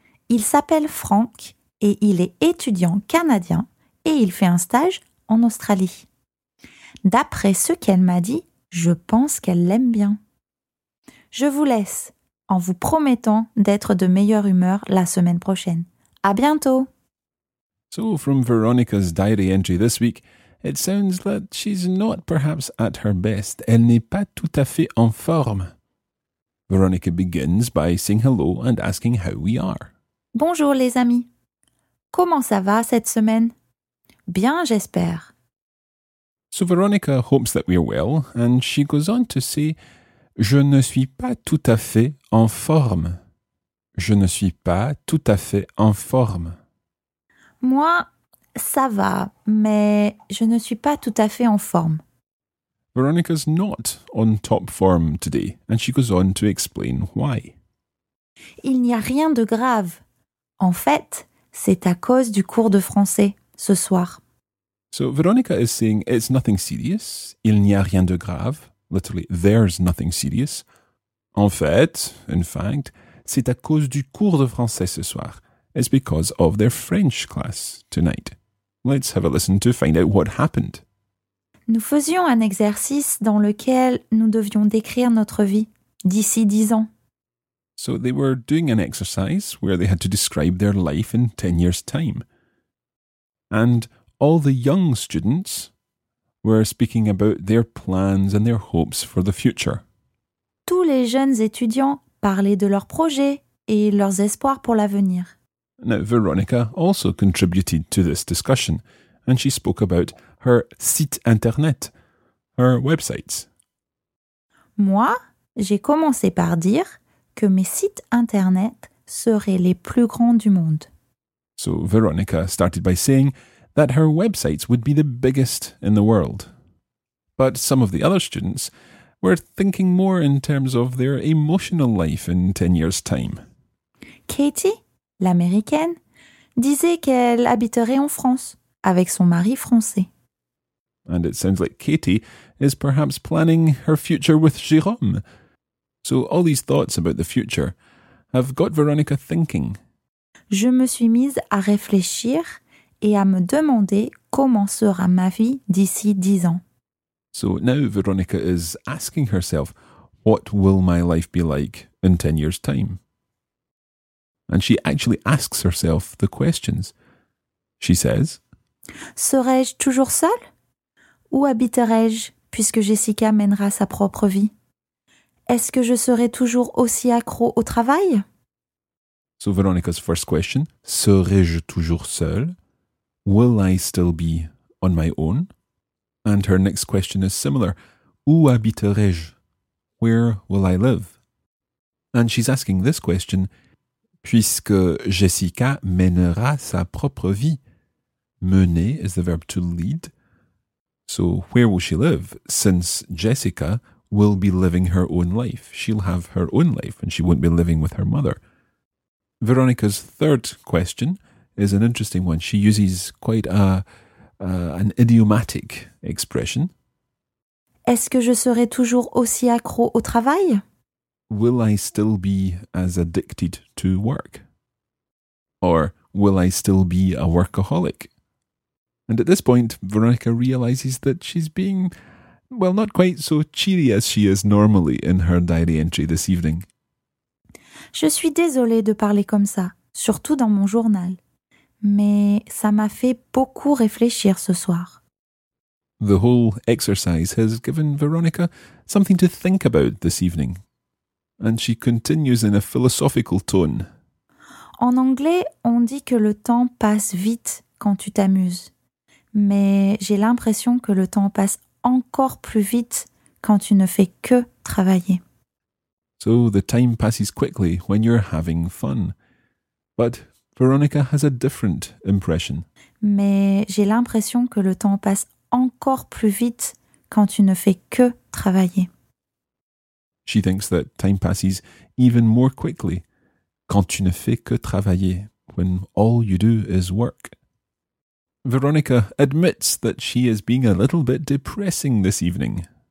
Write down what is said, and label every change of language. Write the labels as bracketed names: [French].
[French] Il s'appelle Frank et il est étudiant canadien et il fait un stage en Australie. D'après ce qu'elle m'a dit, je pense qu'elle l'aime bien. Je vous laisse en vous promettant d'être de meilleure humeur la semaine prochaine. À bientôt! [English] So, from Veronica's diary entry this week, it sounds that she's not perhaps at her best. [French] Elle n'est pas tout à fait en forme. [English] Veronica begins by saying hello and asking how we are. [French] Bonjour les amis. Comment ça va cette semaine? Bien, j'espère. [English] So Veronica hopes that we are well and she goes on to say, [French] je ne suis pas tout à fait en forme. Je ne suis pas tout à fait en forme. Moi, ça va, mais je ne suis pas tout à fait en forme. [English] Veronica's not on top form today, and she goes on to explain why. [French] Il n'y a rien de grave. En fait, c'est à cause du cours de français, ce soir. [English] So Veronica is saying it's nothing serious, [French] il n'y a rien de grave, [English] literally there's nothing serious. [French] En fait, [English] in fact, [French] c'est à cause du cours de français ce soir. [English] It's because of their French class tonight. Let's have a listen to find out what happened. [French] Nous faisions un exercice dans lequel nous devions décrire notre vie d'ici 10 ans. [English] So they were doing an exercise where they had to describe their life in 10 years' time. And all the young students were speaking about their plans and their hopes for the future. [French] Tous les jeunes étudiants parlaient de leurs projets et leurs espoirs pour l'avenir. [English] Now, Veronica also contributed to this discussion, and she spoke about her site internet, her websites. [French] Moi, j'ai commencé par dire que mes sites internet seraient les plus grands du monde. [English] So Veronica started by saying that her websites would be the biggest in the world. But some of the other students were thinking more in terms of their emotional life in 10 years' time. [French] Katie, l'américaine, disait qu'elle habiterait en France avec son mari français. [English] And it sounds like Katie is perhaps planning her future with Jérôme. So all these thoughts about the future have got Veronica thinking. [French] Je me suis mise à réfléchir et à me demander comment sera ma vie d'ici 10 ans. [English] So now Veronica is asking herself, what will my life be like in 10 years' time? And she actually asks herself the questions. She says, [French] Serai-je toujours seule? Où habiterai-je puisque Jessica mènera sa propre vie? Est-ce que je serai toujours aussi accro au travail? [English] So Veronica's first question, [French] serai-je toujours seule? [English] Will I still be on my own? And her next question is similar. [French] Où habiterai-je? [English] Where will I live? And she's asking this question, [French] puisque Jessica mènera sa propre vie. [English] Mener is the verb to lead. So where will she live? Since Jessica will be living her own life. She'll have her own life and she won't be living with her mother. Veronica's third question is an interesting one. She uses quite an idiomatic expression. [French] Est-ce que je serai toujours aussi accro au travail? [English] Will I still be as addicted to work? Or will I still be a workaholic? And at this point, Veronica realizes that she's being, well, not quite so cheery as she is normally in her diary entry this evening. [French] Je suis désolée de parler comme ça, surtout dans mon journal. Mais ça m'a fait beaucoup réfléchir ce soir. [English] The whole exercise has given Veronica something to think about this evening. And she continues in a philosophical tone. [French] En anglais, on dit que le temps passe vite quand tu t'amuses. Mais j'ai l'impression que le temps passe encore plus vite quand tu ne fais que travailler. [English] So the time passes quickly when you're having fun. But Veronica has a different impression. [French] Mais j'ai l'impression que le temps passe encore plus vite quand tu ne fais que travailler. [English] She thinks that time passes even more quickly [French] quand tu ne fais que travailler, [English] when all you do is work. Veronica admits that she is being a little bit depressing this evening.